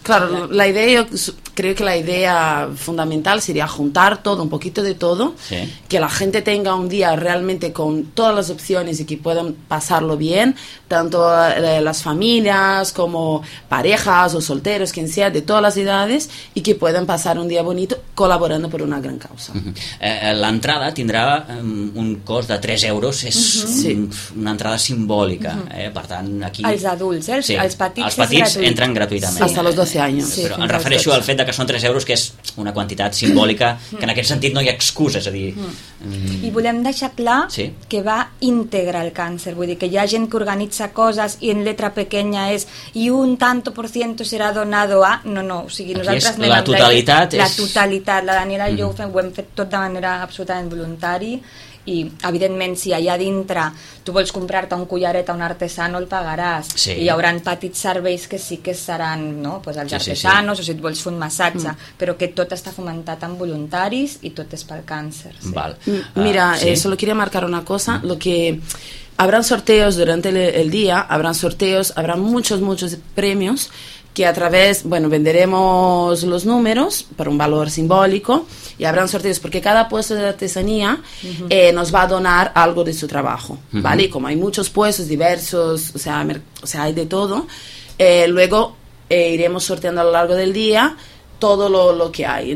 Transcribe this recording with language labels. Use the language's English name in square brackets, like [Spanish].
[Spanish] Claro, la idea, yo creo que la idea fundamental sería juntar todo, un poquito de todo, sí. Que la gente tenga un día realmente con todas las opciones y que puedan pasarlo bien, tanto las familias como parejas o solteros, quien sea, de todas las edades, y que puedan pasar un día bonito colaborando por una gran causa. [Catalan] La entrada tindrà un cost de 3 euros, és una entrada simbòlica, per tant, aquí... Els adults, els petits, els petits entren gratuïtament. [Spanish] Sí. Hasta los 12 años. [Catalan] Sí, però em refereixo al fet que són 3 euros, que és una quantitat simbòlica, que en aquest sentit no hi ha excuses, és a dir... I volem deixar clar que va íntegre el càncer, vull dir que hi ha gent que organitza coses i [Spanish] en letra pequeña [Catalan] és i [Spanish] un tanto por ciento [Catalan] serà donado a... No, o sigui, aquí nosaltres... Aquí és la totalitat. La totalitat, la Daniela i jo ho hem fet tot de manera absolutament voluntari i evidentment si allà dintre tu vols comprar-te un collaret a un artesano el pagaràs, sí. I hi hauran petits serveis que sí que seran, no? Pues els artesanos, sí, sí, sí. O si et vols fer un massatge, però que tot està fomentat amb voluntaris i tot és pel càncer, sí. Val. [Spanish] Mira, solo quería marcar una cosa, lo que habrán sorteos durante el día, habrán sorteos, habrán muchos, muchos premios que a través, bueno, venderemos los números por un valor simbólico y habrán sorteos porque cada puesto de artesanía nos va a donar algo de su trabajo, ¿vale? Y como hay muchos puestos diversos, o sea hay de todo, luego iremos sorteando a lo largo del día todo lo que hay.